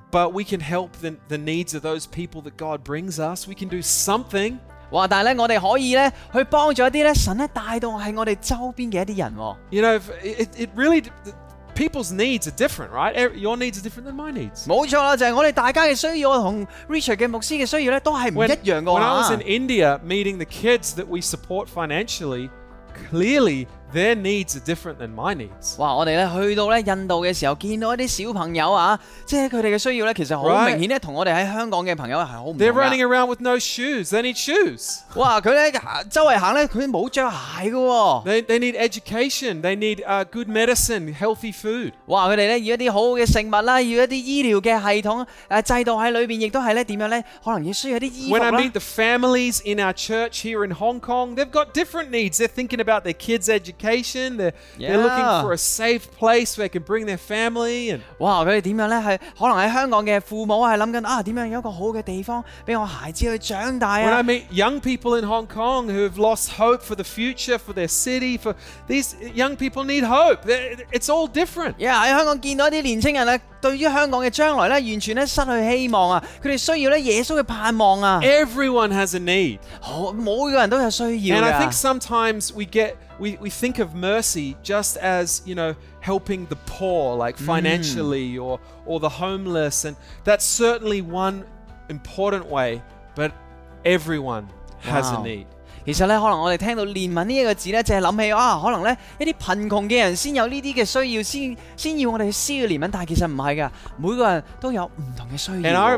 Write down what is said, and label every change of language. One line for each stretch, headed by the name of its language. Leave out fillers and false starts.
English: But we can help the needs of those people that God brings us. We can do something.
Chinese: 哇, 但是呢,我們可以呢,去幫助一些呢,神呢,帶動是我們周邊的一些人。
English: You know, it really, people's needs are different, right? Your needs are different than my needs.
Chinese: 沒錯啦, 就是我們大家的需要和Richard牧師的需要都是不一樣的。
English: When I was in India meeting the kids that we support financially, clearly their needs are different than my needs.
Chinese: 哇, 我們去到印度的時候,見到一些小朋友,他們的需要其實很明顯跟我們在香港的朋友是很不同的。
English: They're running around with no shoes, they need shoes.
Chinese: 哇, 他們周圍走,他們沒有穿鞋的。
English: They need education, they need good medicine, healthy food.
Chinese: 哇, 他們要一些好的食物,要一些醫療的系統在裡面,也是怎樣呢?可能需要一些衣服。
English: When I meet the families in our church here in Hong Kong, they've got different needs. They're thinking about their kids' education. They're looking for a safe place where they can bring their family. And,
Chinese: wow, 他們怎樣呢? 是, 可能在香港的父母是在想,怎樣有一個好的地方,讓我孩子去長大。
English: When I meet young people in Hong Kong who have lost hope for the future, for their city, for these young people need hope. It's all different.
Chinese: Yeah, 在香港見到一些年輕人,對於香港的將來完全失去希望,他們需要耶穌的盼望。
English: Everyone has a need.
Chinese: 每個人都有需要的。
English: And I think sometimes we think of mercy just as, you know, helping the poor, like financially or the homeless. And that's certainly one important way, but everyone has a need.
Chinese: 其實可能我們聽到憐憫這個字,就是想起一些貧窮的人才有這些需要,才要我們去施予憐憫,但其實不是的,每個人都有不同的需要。